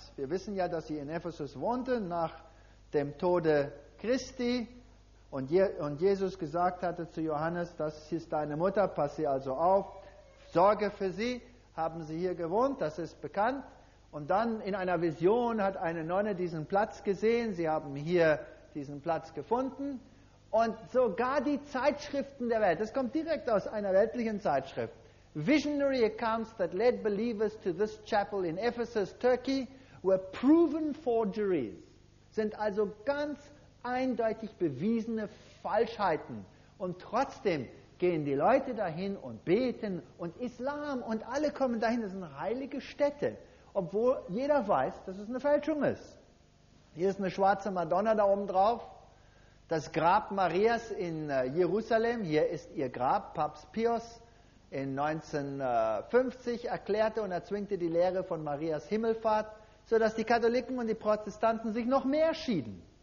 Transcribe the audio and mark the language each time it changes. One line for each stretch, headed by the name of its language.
German: Wir wissen ja, dass sie in Ephesus wohnte, nach dem Tode Christi und Jesus gesagt hatte zu Johannes, das ist deine Mutter, pass sie also auf, sorge für sie, haben sie hier gewohnt, das ist bekannt. Und dann in einer Vision hat eine Nonne diesen Platz gesehen, sie haben hier diesen Platz gefunden. Und sogar die Zeitschriften der Welt, das kommt direkt aus einer weltlichen Zeitschrift.
English: Visionary accounts that led believers to this chapel in Ephesus, Turkey, were proven forgeries.
German: Sind also ganz eindeutig bewiesene Falschheiten. Und trotzdem gehen die Leute dahin und beten und Islam und alle kommen dahin. Das sind heilige Städte, obwohl jeder weiß, dass es eine Fälschung ist. Hier ist eine schwarze Madonna da oben drauf. Das Grab Marias in Jerusalem, hier ist ihr Grab, Papst Pius in 1950 erklärte und erzwingte die Lehre von Marias Himmelfahrt, sodass die Katholiken und die Protestanten sich noch mehr schieden.